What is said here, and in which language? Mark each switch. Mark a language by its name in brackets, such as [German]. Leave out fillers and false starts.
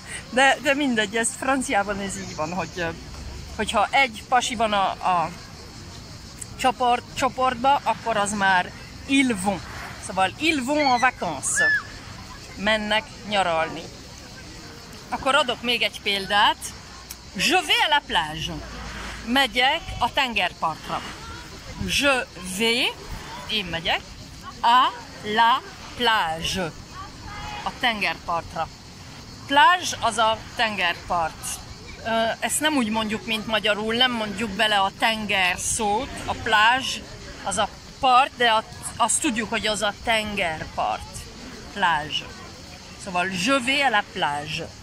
[Hungarian] De mindegy, ez franciában ez így van, hogyha egy pasi van a csoportban, akkor az már [French] ils vont. [Hungarian] Szóval [French] ils vont en vacances. [Hungarian] Mennek nyaralni. Akkor adok még egy példát. [French] Je vais à la plage. [Hungarian] Megyek a tengerpartra. [French] Je vais, [Hungarian] én megyek, [French] à la plage. [Hungarian] A tengerpartra. Plage az a tengerpart. Ezt nem úgy mondjuk, mint magyarul, nem mondjuk bele a tenger szót. A plage az a part, de azt tudjuk, hogy az a tengerpart. [French] Plage. [Hungarian] Szóval [French] je vais à la plage.